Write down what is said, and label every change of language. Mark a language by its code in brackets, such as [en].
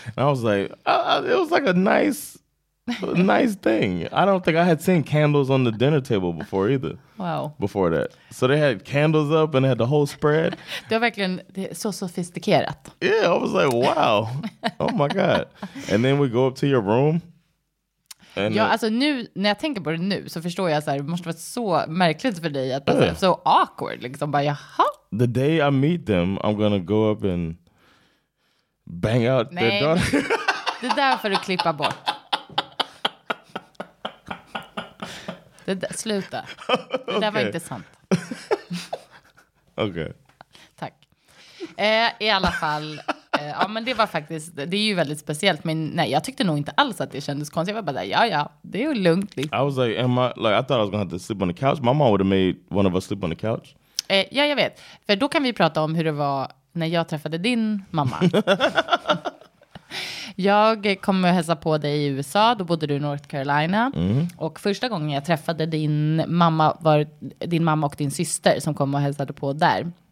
[en] And I was like, it was like a nice thing. I don't think I had seen candles on the dinner table before either. Wow. Before that. So they had candles up and they had the whole spread. [sv] Det var verkligen så sofistikerat. [en] Yeah, I was like, wow. Oh my God. And then we go up to your room. [sv] And ja, alltså nu, när jag tänker på det nu så förstår jag så här, det måste vara så märkligt för dig att det är så awkward, liksom bara, jaha. [en] The day I meet them, I'm gonna go up and bang out [sv] nej, [en] their daughter. [sv] Det där får du klippa bort. Det där, sluta. Det där okay. Var inte sant. Okej. Okay. Tack. I alla fall... Ja, men det var faktiskt, det är ju väldigt speciellt. Men nej, jag tyckte nog inte alls att det kändes konstigt. Jag var bara där, ja, det är ju lugnt. Liksom. [en] I was like, I thought I was gonna have to sleep on the couch. My mom would have made one of us sleep on the couch. [sv] Ja, jag vet. För då kan vi prata om hur det var när jag träffade din mamma. Jag kom och hälsa på dig i USA, då bodde du i North Carolina. Mm. Och första gången jag träffade din mamma var din mamma och din syster som kom och hälsade på där.